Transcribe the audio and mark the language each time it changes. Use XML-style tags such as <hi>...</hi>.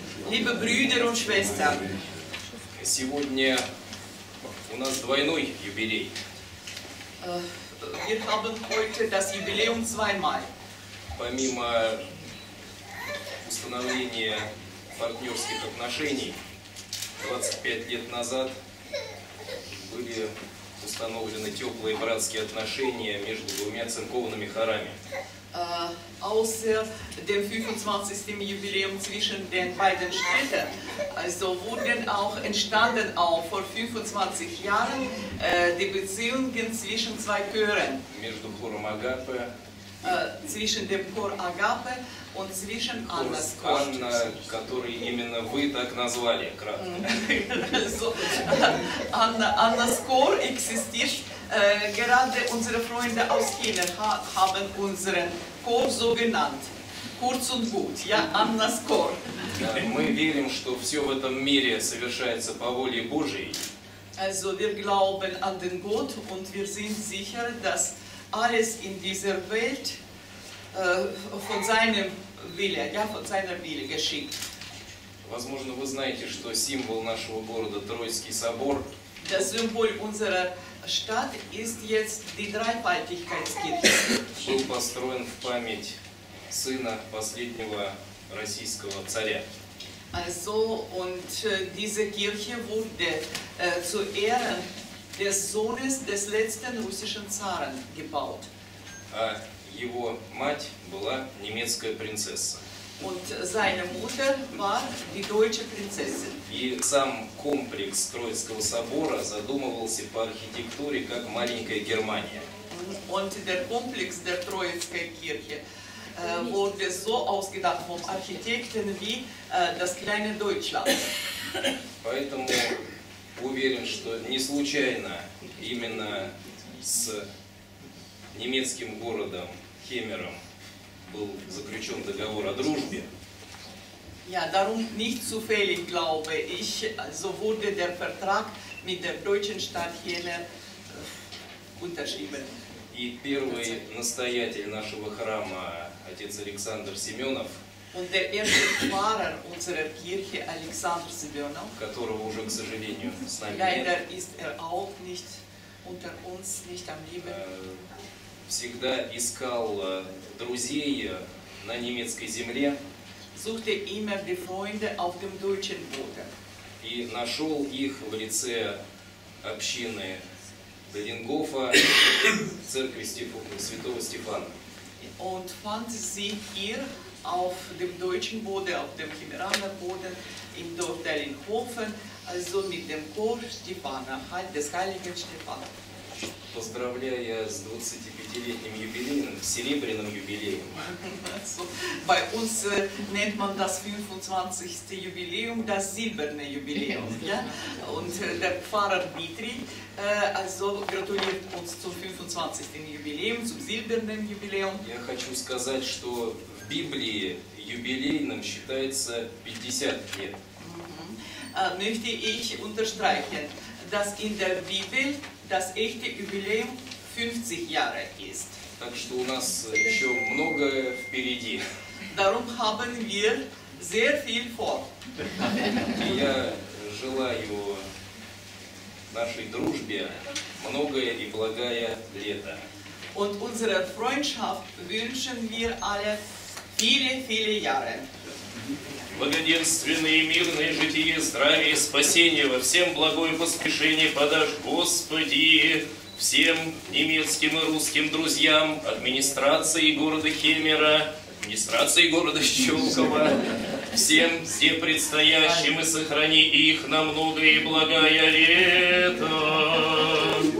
<de>liebe Brüder und Schwestern,</de> <ru>сегодня у нас двойной юбилей.</ru> <de>Wir haben heute das Jubiläum zweimal.</de> <ru>Помимо установления партнерских отношений 25 лет назад были установлены теплые братские отношения между двумя церковными хорами.</ru> <de>Außer dem 25. Jubiläum zwischen den beiden Städten, also wurden auch entstanden auch vor 25 Jahren die Beziehungen zwischen zwei Chören.</de> <ru>Между хором Агапе,</ru> <de>zwischen dem Chor Agape und zwischen Annas Chor.</de> <ru>Anna, который именно вы так назвали, кратко.</ru> <de>So, Annas Chor existiert. Gerade unsere Freunde aus China haben unseren Chor so genannt. Kurz und gut, ja, Annas Chor.</de> <ru>Мы верим, что все в этом мире совершается по воле Божией.</ru> <de>Also wir glauben an den Gott und wir sind sicher, dass alles in dieser Welt von seinem Wille, ja, von seiner Wille geschieht.</de> <ru>Возможно, вы знаете, что символ нашего города Троицкий собор.</ru> <de>Das Symbol unserer Stadt ist jetzt die Dreifaltigkeitskirche.</de> <ru>Был построен в память сына последнего российского царя.</ru> <de>Also und diese Kirche wurde zu Ehren des Sohnes des letzten russischen Zaren gebaut.</de> <ru>А его мать была немецкая принцесса.</ru> <de>Und seine Mutter war die deutsche Prinzessin.</de> <ru>И сам комплекс Троицкого собора задумывался по архитектуре как маленькая Германия.</ru> <de>Und der Komplex der Troizkaya Kirche wurde so ausgedacht vom Architekten wie das kleine Deutschland.</de> <ru>Поэтому уверен, что не случайно именно с немецким городом Хемером был заключен договор о дружбе.</ru> <de>Ja, darum nicht zufällig glaube ich, so wurde der Vertrag mit der deutschen Stadt Hemer unterschrieben.</de> <ru>И первый настоятель нашего храма, отец Александр Семенов,</ru> <de>und der erste Pfarrer unserer Kirche, Alexander Semyonov,</de> <ru>которого уже, к сожалению, с нами</ru> <de>leider</de> <ru>нет,</ru> <de>ist er auch nicht unter uns, nicht am Leben,</de> <ru>всегда искал друзей на немецкой земле,</ru> <de>suchte immer die Freunde auf dem deutschen Boden,</de> <ru>и нашел их в лице общины Деленгофа, церкви Святого Стефана.</ru> <de>Und fand sie hier auf dem deutschen Boden, auf dem Chimeraner Boden, in Dorf Deringhofen, also mit dem Chor Stefana, des heiligen Stefana.</de> <ru>Поздравляя с 25-летним юбилеем, серебряным юбилеем.</ru> <de>So, bei uns nennt man das 25. Jubiläum, das silberne Jubiläum. Ja? Und der Pfarrer Dmitri also gratuliert uns zum 25. Jubiläum, zum silbernen Jubiläum.</de> <ru>Я хочу сказать, что в Библии юбилейным считается 50 лет.</ru> <de>Möchte ich unterstreichen, dass in der Bibel das echte Jubiläum 50 Jahre ist.</de> <ru>Так что у нас еще многое впереди.</ru> <de>Darum haben wir sehr viel vor.</de> <ru>И я желаю нашей дружбе многое и благое лето.</ru> <de>Und unserer Freundschaft wünschen wir alle viele, viele Jahre.</de> <ru>Благоденственное и мирное житие, здравие и спасение во всем благое поспешение подашь, Господи, всем немецким и русским друзьям, администрации города Хемера, администрации города Щелково, всем все предстоящим и сохрани их на многое и благое лето.</ru>